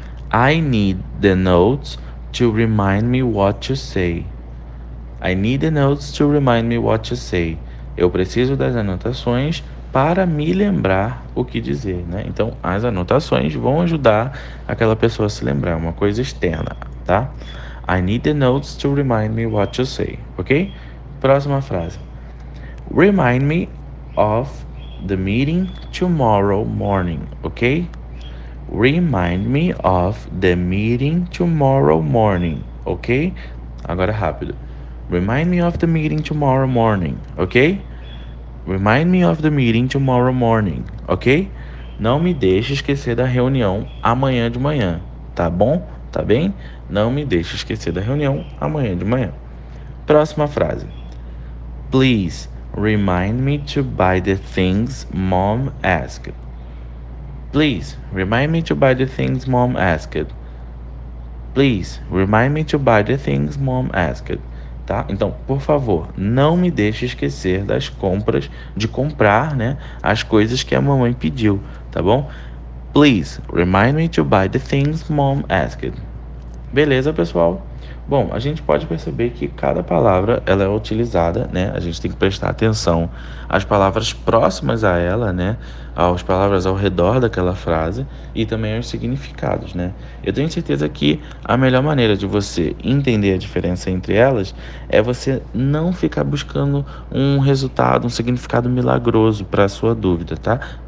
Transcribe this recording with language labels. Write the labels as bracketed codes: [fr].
[en] I need the notes to remind me what to say. I need the notes to remind me what to say. [pt] Eu preciso das anotações para me lembrar o que dizer, né? Então, as anotações vão ajudar aquela pessoa a se lembrar, uma coisa externa, tá? [en] I need the notes to remind me what to say, ok? [pt] Próxima frase. [en] Remind me of the meeting tomorrow morning, ok? Remind me of the meeting tomorrow morning, ok? [pt] Agora rápido. [en] Remind me of the meeting tomorrow morning, ok? Remind me of the meeting tomorrow morning, ok? [pt] Não me deixe esquecer da reunião amanhã de manhã, tá bom? Tá bem? Não me deixe esquecer da reunião amanhã de manhã. Próxima frase. [en] Please remind me to buy the things mom asked. Please remind me to buy the things mom asked. Please remind me to buy the things mom asked. [pt] Tá? Então, por favor, não me deixe esquecer das compras, de comprar, né, as coisas que a mamãe pediu, tá bom? [en] Please remind me to buy the things mom asked. [pt] Beleza, pessoal? Bom, a gente pode perceber que cada palavra ela é utilizada, né? A gente tem que prestar atenção às palavras próximas a ela, né? Às palavras ao redor daquela frase e também aos significados, né? Eu tenho certeza que a melhor maneira de você entender a diferença entre elas é você não ficar buscando um resultado, um significado milagroso para a sua dúvida, tá?